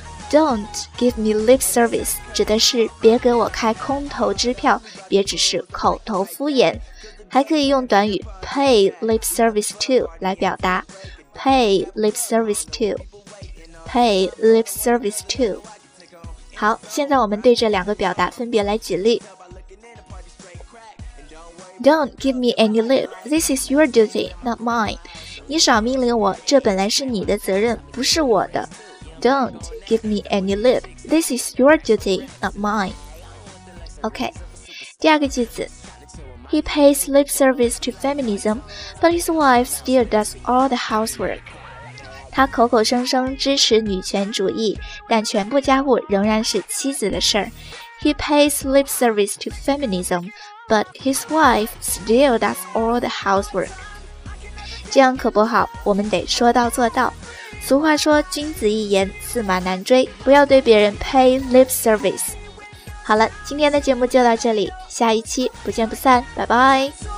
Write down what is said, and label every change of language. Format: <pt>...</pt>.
<en>Don't give me lip service</en> <zh>指的是别给我开空头支票，别只是口头敷衍。还可以用短语</zh> <en>pay lip service to</en> <zh>来表达。</zh> <en>Pay lip service to. Pay lip service to.</en> <zh>好，现在我们对这两个表达分别来举例。</zh> <en>Don't give me any lip. This is your duty, not mine.</en> <zh>你少命令我，这本来是你的责任，不是我的。</zh> <en>Don't give me any lip. This is your duty, not mine.</en> <zh>OK. 第二个句子。</zh> <en>He pays lip service to feminism, but his wife still does all the housework.</en> <zh>他口口声声支持女权主义，但全部家务仍然是妻子的事儿。</zh> <en>He pays lip service to feminism,But his wife still does all the housework.</en> <zh>这样可不好，我们得说到做到。俗话说，君子一言，驷马难追，不要对别人</zh> <en>pay lip service.</en> <zh>好了，今天的节目就到这里，下一期不见不散，拜拜。</zh>